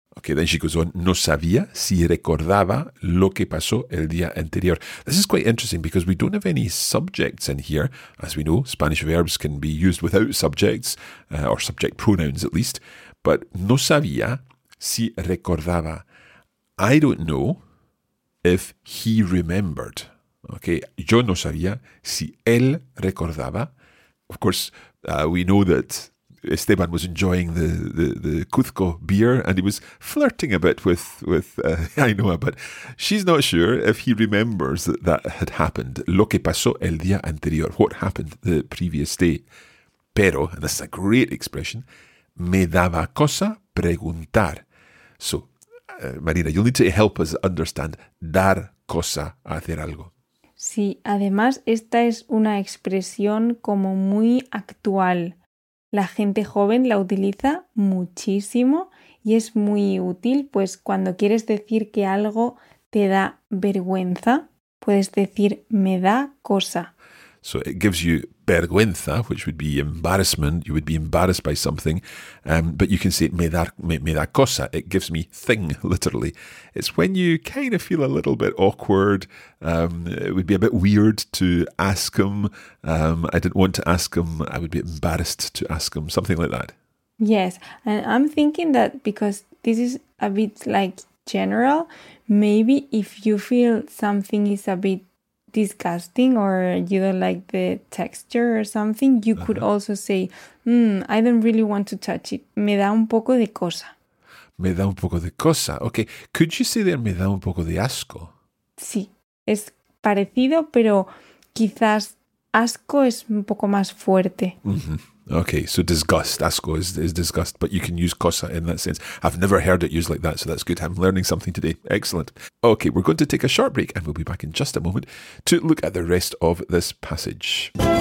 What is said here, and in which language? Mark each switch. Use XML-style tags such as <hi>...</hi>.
<en>Okay, then she goes on,</en> <es>no sabía si recordaba lo que pasó el día anterior.</es> <en>This is quite interesting because we don't have any subjects in here. As we know, Spanish verbs can be used without subjects, or subject pronouns at least.</en> <es>But no sabía si recordaba.</es> <en>I don't know if he remembered.</en> <es>Okay, yo no sabía si él recordaba.</es> <en>Of course, we know that Esteban was enjoying the Cuzco beer and he was flirting a bit with Ainhoa, but she's not sure if he remembers that had happened.</en> <es>Lo que pasó el día anterior,</es> <en>what happened the previous day. Pero, and this is a great expression,</en> <es>me daba cosa preguntar.</es> <en>So, Marina, you'll need to help us understand</en> <es>dar cosa, hacer algo. Sí, además esta es una expresión como muy actual. La gente joven la utiliza muchísimo y es muy útil, pues cuando quieres decir que algo te da vergüenza, puedes decir me da cosa.</es> <en>So it gives you vergüenza, which would be embarrassment. You would be embarrassed by something. But you can say</en> <es>me da cosa.</es> <en>It gives me thing, literally. It's when you kind of feel a little bit awkward. It would be a bit weird to ask him. I didn't want to ask him. I would be embarrassed to ask him. Something like that. Yes. And I'm thinking that because this is a bit like general, maybe if you feel something is a bit disgusting or you don't like the texture or something, you could also say, I don't really want to touch it.</en> <es>Me da un poco de cosa. Me da un poco de cosa.</es> <en>Okay. Could you say there</en> <es>me da un poco de asco? Sí. Es parecido, pero quizás asco es un poco más fuerte.</es> <en>Mm-hmm. Okay. So disgust. Asco is disgust, but you can use cosa in that sense. I've never heard it used like that, so that's good. I'm learning something today. Excellent. Okay. We're going to take a short break and we'll be back in just a moment to look at the rest of this passage.</en>